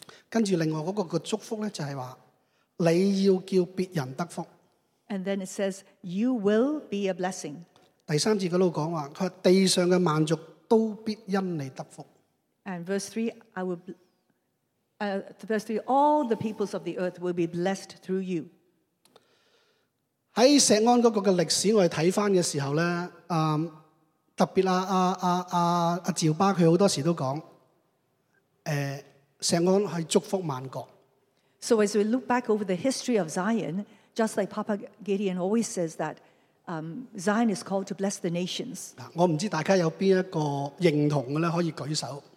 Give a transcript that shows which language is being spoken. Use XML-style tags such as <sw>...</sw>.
<zh>接着另外那个祝福就是说, 你要叫别人得福。</zh> <en>And then it says, you will be a blessing.</en> <zh>第三节那里说, 地上的万族都必因你得福。</zh> <en>And verse 3, verse 3, all the peoples of the earth will be blessed through you.</en> <zh>在石安那个历史我们看的时候, 特别赵巴他很多时都说, 石安是祝福万国。</zh> <en>So as we look back over the history of Zion, just like Papa Gideon always says that Zion is called to bless the nations.</en> <zh>我不知道大家有哪一個認同的呢,可以舉手。</zh>